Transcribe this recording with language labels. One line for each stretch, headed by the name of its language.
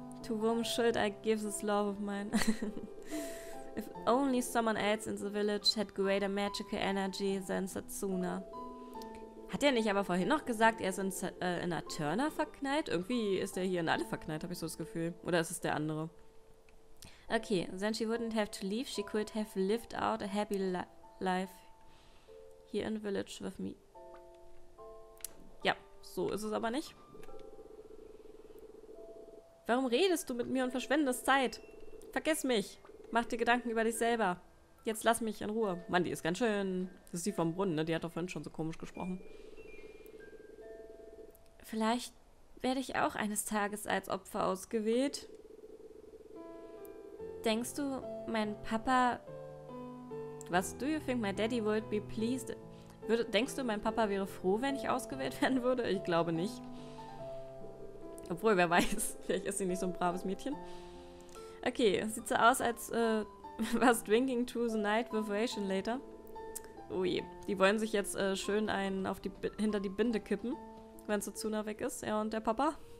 English: To whom should I give this love of mine? If only someone else in the village had greater magical energy than Setsuna.
German: Hat er nicht aber vorhin noch gesagt, er ist in Aterna verknallt? Irgendwie ist er hier in alle verknallt, habe ich so das Gefühl. Oder ist es der andere?
English: Okay, then she wouldn't have to leave. She could have lived out a happy life here in the village with me.
German: Ja, so ist es aber nicht. Warum redest du mit mir und verschwendest Zeit? Vergiss mich. Mach dir Gedanken über dich selber. Jetzt lass mich in Ruhe. Mann, die ist ganz schön... Das ist die vom Brunnen, ne? Die hat doch vorhin schon so komisch gesprochen. Vielleicht werde ich auch eines Tages als Opfer ausgewählt. Denkst du, mein Papa...
English: Was, do you think my daddy would be pleased?
German: Denkst du, mein Papa wäre froh, wenn ich ausgewählt werden würde? Ich glaube nicht. Obwohl, wer weiß, vielleicht ist sie nicht so ein braves Mädchen. Okay, sieht so aus, als was drinking to the night with Ration later. Ui, die wollen sich jetzt schön einen auf die hinter die Binde kippen, wenn Setsuna weg ist, er und der Papa.